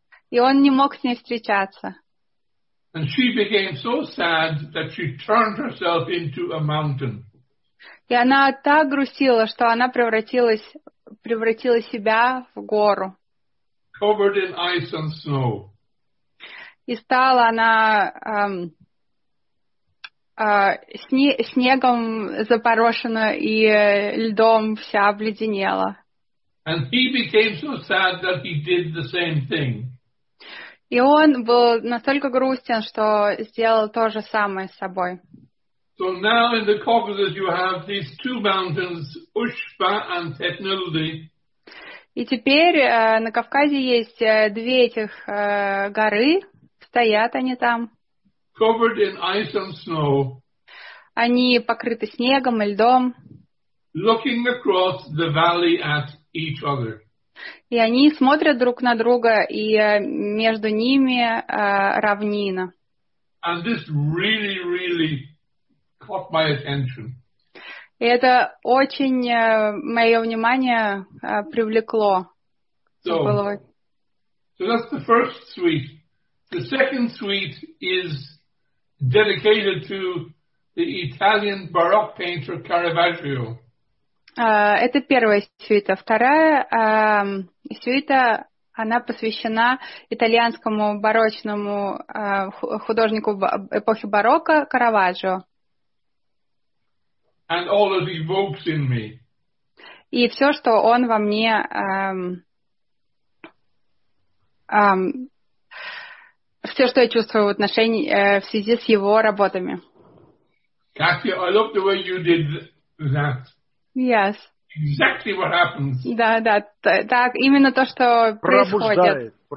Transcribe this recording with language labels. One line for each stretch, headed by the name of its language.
Russian: И он не мог с ней встречаться.
English: And she became so sad that she turned herself into a mountain.
Russian: И она так грустила, что она превратила себя в гору.
English: Covered in ice and snow.
Russian: И стала она снегом запорошена и льдом вся обледенела.
English: And he became so sad that he did the same thing.
Russian: И он был настолько грустен, что сделал то же самое с собой.
English: So now in the Caucasus you have these two mountains, Ushba and Teknuli.
Russian: И теперь на Кавказе есть две этих горы, стоят они там.
English: Covered in ice and snow.
Russian: Они покрыты снегом и льдом.
English: Looking across the valley at each other.
Russian: И они смотрят друг на друга, и между ними равнина.
English: And this really, really caught my attention.
Russian: И это очень мое внимание привлекло.
English: So that's the first suite. The second suite is dedicated to the Italian Baroque painter Caravaggio.
Russian: Это первая сюита. Вторая сюита, она посвящена итальянскому барочному художнику эпохи барокко Караваджо.
English: And all it evokes in me.
Russian: И все, что он во мне все, что я чувствую в отношении в связи с его работами.
English: Kathy, I love the way you did that. Yes. Exactly what happens.
Russian: Да, да. Так, именно то, что происходит.